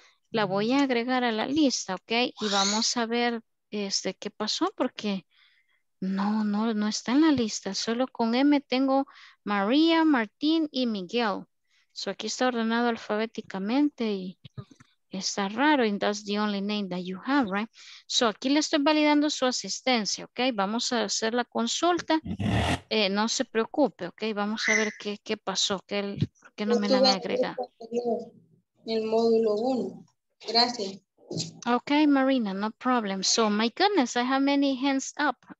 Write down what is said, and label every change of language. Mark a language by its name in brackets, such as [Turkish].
[Spanish] La voy a agregar a la lista, ok, y vamos a ver este, qué pasó, porque no está en la lista. Solo con M tengo María, Martín y Miguel. So aquí está ordenado alfabéticamente y está raro. [English] And that's the only name that you have, right? [Spanish] So aquí le estoy validando su asistencia, ok. Vamos a hacer la consulta. No se preocupe, ok. Vamos a ver qué pasó, que no me la han agregado. El módulo 1. Gracias. [English] Okay, Marina, no problem. So, my goodness, I have many hands up.